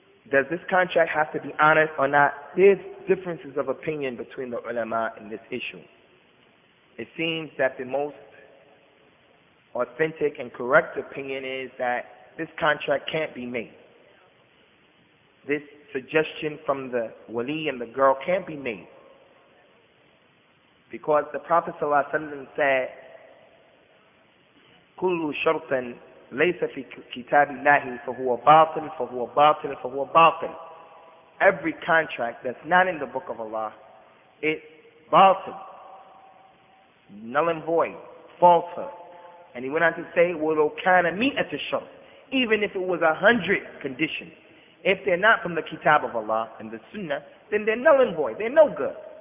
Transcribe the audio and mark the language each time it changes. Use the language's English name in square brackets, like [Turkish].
[English] Does this contract have to be honored or not? There's differences of opinion between the ulama in this issue. It seems that the most authentic and correct opinion is that this contract can't be made. This suggestion from the wali and the girl can't be made. Because the Prophet ﷺ said, [Arabic] كُلُّ شَرْطًا لَيْسَ فِي كِتَابِ اللَّهِ فَهُوَ بَاطِلٌ فَهُوَ بَاطِلٌ فَهُوَ بَاطِلٌ. [English] Every contract that's not in the Book of Allah, it's baatil, null and void, falsehood. And he went on to say, [Arabic] وَلَوْ كَانَ مِئَةَ شَرْطٍ. [English] Even if it was 100 conditions, if they're not from the Kitab of Allah and the Sunnah, then they're null and void. They're no good.